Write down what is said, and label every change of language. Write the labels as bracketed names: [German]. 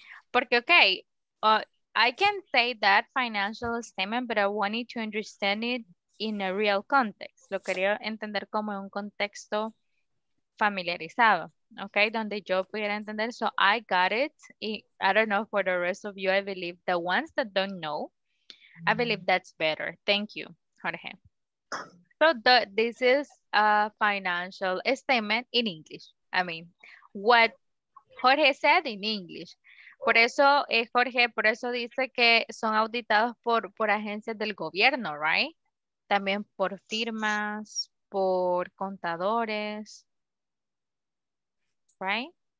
[Spanish] Porque [English] okay, I can say that financial statement, but I wanted to understand it in a real context. [Spanish] Lo quería entender como en un contexto familiarizado, okay? Donde yo pudiera entender. [English] So I got it. Y I don't know for the rest of you. I believe the ones that don't know, I believe that's better. Thank you, Jorge. So this is a financial statement in English. I mean, what Jorge said in English. [Spanish] Por eso, Jorge, por eso dice que son auditados por agencias del gobierno, right? También por firmas, por contadores, right?